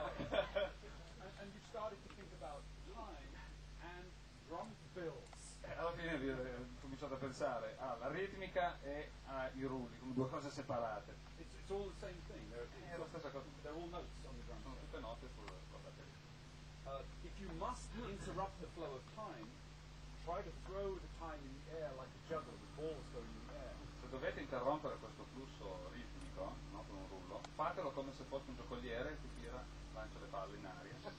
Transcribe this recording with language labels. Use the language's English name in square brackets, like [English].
[English] And you started to think about time and drum fills. [Italian] Alla fine ho cominciato a pensare alla ritmica e ai rulli, come due cose separate. [English] It's all the same thing. They're all notes on the drum. [Italian] Sono tutte note sul [English] If you must interrupt the flow of time, try to throw the time in the air like a juggler, the balls going in the air. [Italian] Se dovete interrompere questo flusso ritmico, no, con un rullo, fatelo come se fosse un giocoliere che tira, lancia le palle in aria.